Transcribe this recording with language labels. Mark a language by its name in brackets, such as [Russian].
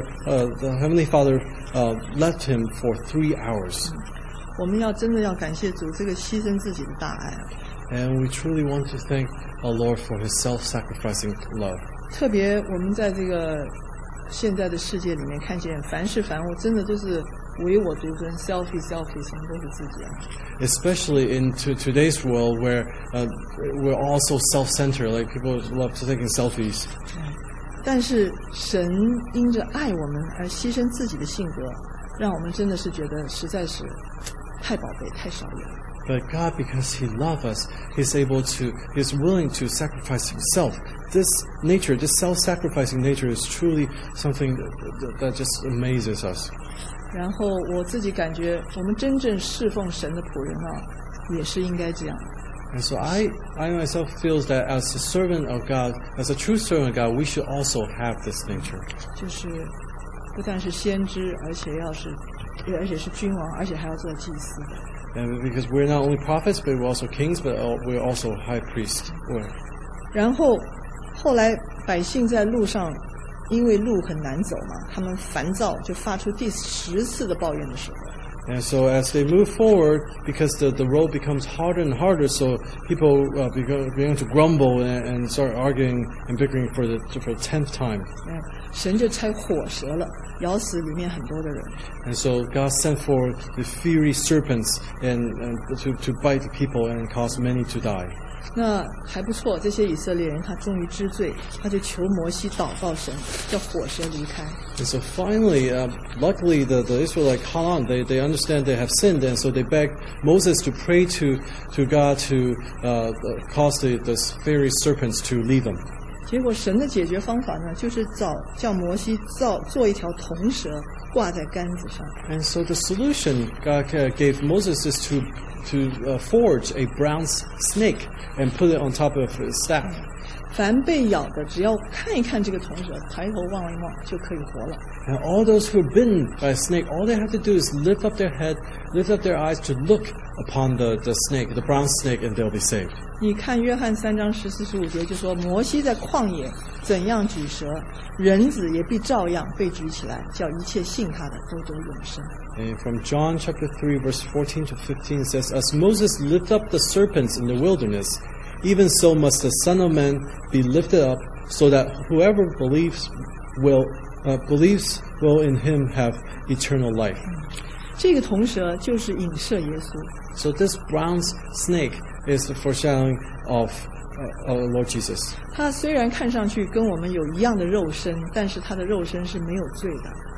[English] The Heavenly Father left him for 3 hours. [Chinese] 我们要真的要感谢主这个牺牲自己的大爱。 [English] And we truly want to thank our Lord for his self-sacrificing love. [Chinese] 特别我们在这个现在的世界里面看见凡事凡物真的都是唯我独尊 selfie 什么都是自己、啊、 [English] especially in today's world where we're all so self-centered, like people love to taking selfies. [Chinese] 但是神因着爱我们而牺牲自己的性格，让我们真的是觉得实在是太宝贝、太少有。 [English] But God, because He loves us, He's able to, He's willing to sacrifice Himself. This nature, this self-sacrificing nature, is truly something that just amazes us. [Chinese] 然后我自己感觉，我们真正侍奉神的仆人啊，也是应该这样。 [English] And so I myself feel that as a servant of God, as a true servant of God, we should also have this nature. [Chinese] 就是不但是先知，而且要是，而且是君王，而且还要做祭司的。 [English] And because we're not only prophets, but we're also kings, but we're also high priests. [Chinese] 然后后来百姓在路上，因为路很难走嘛，他们烦躁，就发出第十次的抱怨的时候。 [English] And so as they move forward, because the road becomes harder and harder, so people begin to grumble and start arguing and bickering for the tenth time. [Chinese] 神就拆火蛇了，咬死里面很多的人。 [English] And so God sent for the fiery serpents and to bite the people and cause many to die. [Chinese] 那还不错，这些以色列人他终于知罪，他就求摩西祷告神，叫火蛇离开。 [English] And so finally, luckily the Israelites caught on. They understand they have sinned, and so they beg Moses to pray to God to cause the fiery serpents to leave them. [Chinese] 结果神的解决方法呢，就是叫摩西做一条铜蛇挂在杆子上。 [English] And so the solution God gave Moses is to forge a bronze snake and put it on top of his staff. [Chinese] 凡被咬的，只要看一看这个铜蛇，抬头望一望就可以活了。 [English] And all those who are bitten by a snake, all they have to do is lift up their head, lift up their eyes to look upon the snake, the bronze snake, and they'll be saved. [Chinese] 你看约翰三章十四十五节就说，摩西在旷野怎样举蛇，人子也必照样被举起来，叫一切信他的都得永生。 [English] And from John chapter 3 verse 14 to 15 says, As Moses lifted up the serpents in the wilderness, Even so must the Son of Man be lifted up, so that whoever believes will, believes will in him have eternal life. [Chinese] 这个铜蛇就是影射耶稣。 [English] So this bronze snake is the foreshadowing of our Lord Jesus. [Chinese] 他虽然看上去跟我们有一样的肉身，但是他的肉身是没有罪的。